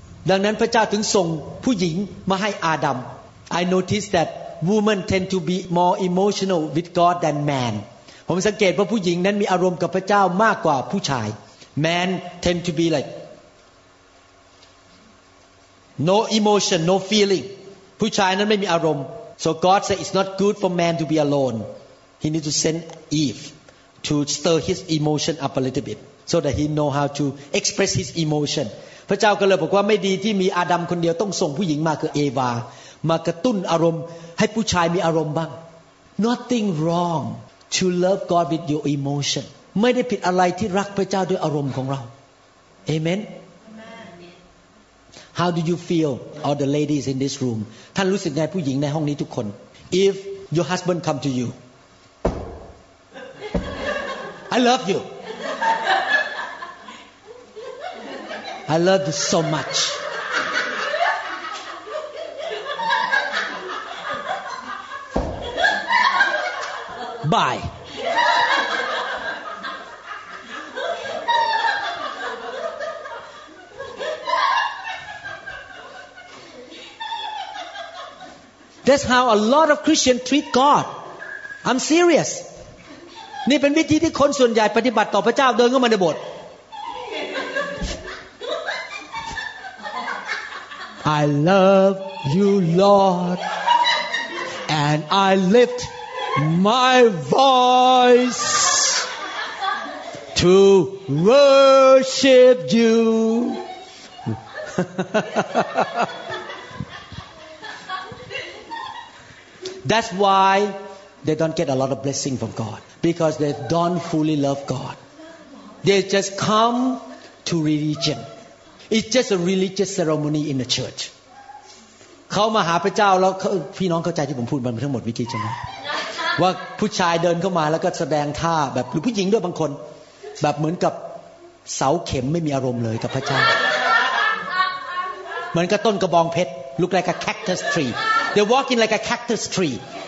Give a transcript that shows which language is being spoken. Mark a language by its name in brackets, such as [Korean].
[Thai] ดังนั้นพระเจ้าถึงส่งผู้หญิงมาให้อาดัม [English] I noticed that women tend to be more emotional with God than man. [Thai] ผมสังเกตว่าผู้หญิงนั้นมีอารมณ์กับพระเจ้ามากกว่าผู้ชาย [English] Man tend to be like no emotion, no feeling. [Thai] ผู้ชายนั้นไม่มีอารมณ์ [English] So God said it's not good for man to be alone. He needs to send Eve to stir his emotion up a little bit so that he know how to express his emotion. [Thai] พระเจ้าก็เลยบอกว่าไม่ดีที่มีอาดัมคนเดียวต้องส่งผู้หญิงมาคือเอวามากระตุ้นอารมณ์ให้ผู้ชายมีอารมณ์บ้าง [English] Nothing wrongTo love God with your emotion. [Thai] ไม่ได้ผิดอะไรที่รักพระเจ้าด้วยอารมณ์ของเรา Amen. [English] Amen. How do you feel, all the ladies in this room? [Thai] ท่านรู้สึกไงผู้หญิงในห้องนี้ทุกคน [English] If your husband come to you, I love you. I love you so much. Bye. That's how a lot of Christians treat God. I'm serious. [Thai] นี่เป็นวิธีที่คนส่วนใหญ่ปฏิบัติต่อพระเจ้าเดินเข้ามาในโบสถ์ [English] I love you, Lord, and I lift my voice to worship you. That's why they don't get a lot of blessing from God because they don't fully love God. They just come to religion. It's just a religious ceremony in the church. [Thai] เขามาหาพระเจ้าแล้วพี่น้องเข้าใจที่ผมพูดมันทั้งหมดวิกิใช่ไหมว่าผู้ชายเดินเข้ามาแล้วก็แสดงท่าแบบหรือผู้หญิงด้วยบางคนแบบเหมือนกับเสาเข็มไม่มีอารมณ์เลยกับพระเจ้าเหมือนกับต้นกระบองเพชร [English] look like a cactus treeThey walk in like a cactus tree.